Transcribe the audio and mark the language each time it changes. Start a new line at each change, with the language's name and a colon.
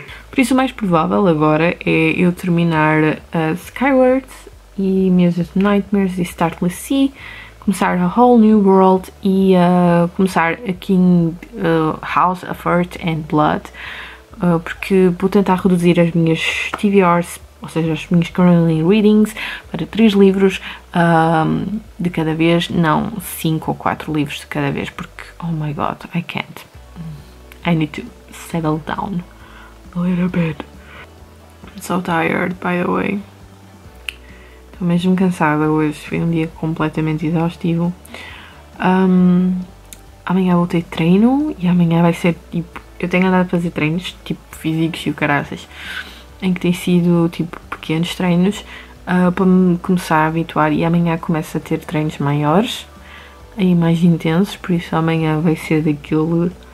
Portuguese: Por isso o mais provável agora é eu terminar Skyward e Music Nightmares e Startless Sea, começar A Whole New World e começar A King House of Earth and Blood, porque vou tentar reduzir as minhas TBRs, ou seja, as minhas currently readings, para 3 livros de cada vez, não 5 ou 4 livros de cada vez, porque oh my god, I can't.
English: I need to settle down a little bit. I'm so tired, by the way.
Portuguese: Estou mesmo cansada hoje. Foi um dia completamente exaustivo. Amanhã vou ter treino e amanhã vai ser tipo. Eu tenho andado a fazer treinos tipo físicos e o caraças, em que tem sido tipo pequenos treinos para me começar a habituar e amanhã começo a ter treinos maiores e mais intensos, por isso amanhã vai ser daquilo.